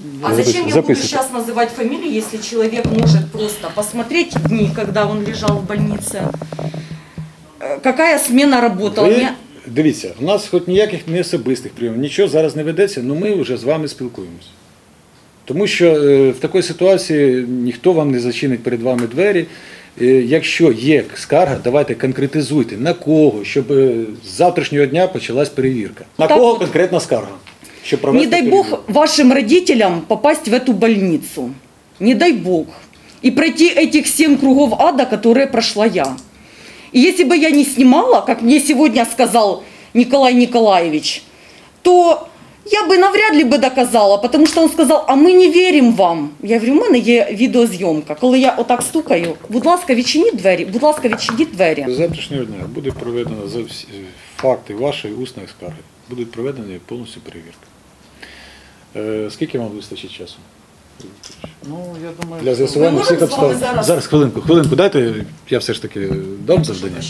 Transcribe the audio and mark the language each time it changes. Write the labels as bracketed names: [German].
[Russian] А зачем я буду сейчас называть фамилию, если человек может просто посмотреть дни, когда он лежал в больнице? Какая смена работала? Вы [Ukrainian] дивіться, у нас хоч ніяких не особистих прийомів, нічого зараз не ведеться, але ми вже з вами спілкуємося. Тому що в такій ситуації ніхто вам не зачинить перед вами двері. Якщо є скарга, давайте конкретизуйте, на кого, щоб з завтрашнього дня почалась перевірка. На так кого конкретна скарга? Щоб провести перевірку. [Russian] Не дай Бог вашим родителям попасть в эту больницу. Не дай Бог. И пройти этих 7 кругов ада, которые прошла я. И если бы я не снимала, как мне сегодня сказал Николай Николаевич, то я бы навряд ли бы доказала, потому что он сказал, а мы не верим вам. Я говорю, у меня есть видеозъемка. Когда я вот так стукаю, [Ukrainian] будь ласка, відчиніть двери, будь ласка, відчиніть двери. [Russian] С завтрашнего дня будет проведена [Ukrainian] за всі факти вашої устної скарги, [Russian] будет проведена [Ukrainian] повністю перевірка. Скільки вам вистачить часу? Ну, я думаю, для з'ясування всіх обставин. Зараз хвилинку, дайте, я все ж таки дам завдання.